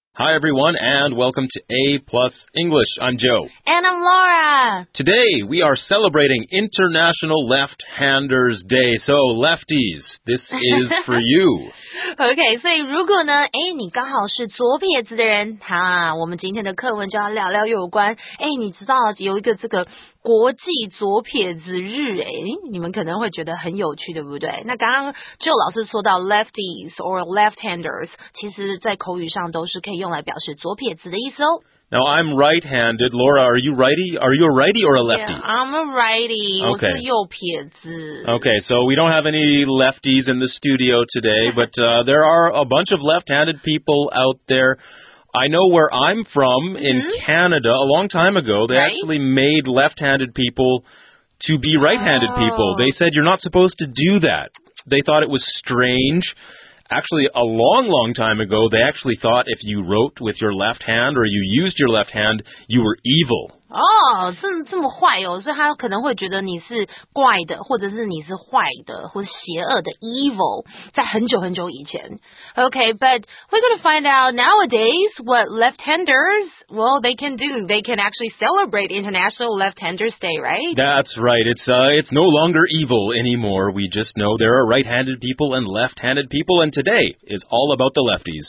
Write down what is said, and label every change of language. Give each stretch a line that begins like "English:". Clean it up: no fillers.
English: Hi, everyone, and welcome to A Plus English. I'm Joe. And I'm Laura. Today, we are celebrating International Left-Handers Day. So, lefties, this is for you.
Chinese: Okay, 所以如果呢，诶，你刚好是左撇子的人，哈，我们今天的课文就要聊聊有关，诶，你知道有一个这个国际左撇子日，诶，你们可能会觉得很有趣，对不对？那刚刚Joe老师说到
English: lefties or left-handers，
Chinese: 其实在口语上都是可以用来表示左撇子的意思哦。
English: Now, I'm right-handed. Laura, are you righty? Are you a righty or a lefty? Yeah, I'm a righty. Okay.
Chinese: 我是右撇子。
English: Okay, so we don't have any lefties in the studio today, but there are a bunch of left-handed people out there. I know where I'm from in Canada. A long time ago, they actually made left-handed people to be right-handed people. They said, you're not supposed to do that. They thought it was strange. Actually, a long, long time ago, they actually thought if you wrote with your left hand or you used your left hand, you were evil.
Chinese: Oh, 这么坏哦，所以他可能会觉得你是怪的，或者是你是坏的，或是邪恶的 evil, 在很久很久以前。
English: Okay, but we're going to find out nowadays what left-handers, well, they can do. They can actually celebrate International Left-Handers Day, right? That's right. It's no longer evil anymore. We just know there are right-handed people and left-handed people, and today is all about the lefties.